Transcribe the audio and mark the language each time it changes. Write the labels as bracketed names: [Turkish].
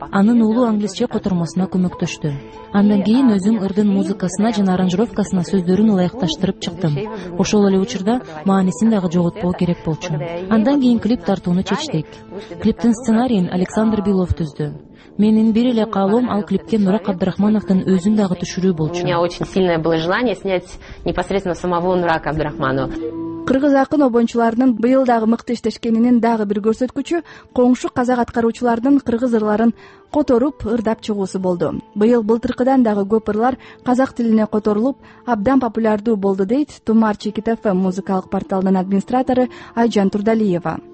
[Kyrgyz] Анын уулу англисче котормосуна көмөктөштү. Андан кийин өзүм ырдын музыкасына жана аранжировкасына сөздөрүн ылайыкташтырып чыктым. Ошол эле учурда маанисин дагы жоготпоо керек болчу. Андан кийин клип тартууну чечтик. Клиптин сценарийин Александр Билов түздү. Менин бир эле каалоом ал клипке Нурак Абдрахмановдун өзүн дагы түшүрүү болчу. [Russian] У меня очень сильное было желание снять непосредственно самого Нурака Абдрахманова. [Kyrgyz] Кыргыз акын обончуларынын быйыл дагы мыкты иштешкенинин дагы бир көрсөткүчү коңшу казак аткаруучуларынын кыргыз ырларын которуп ырдап чыгуусу болду. Быйыл былтыркыдан дагы көп ырлар казак тилине которулуп абдан популярдуу болду, дейт Тумар Чекит FM музыкалык порталынын администратору Айжан Турдалиева.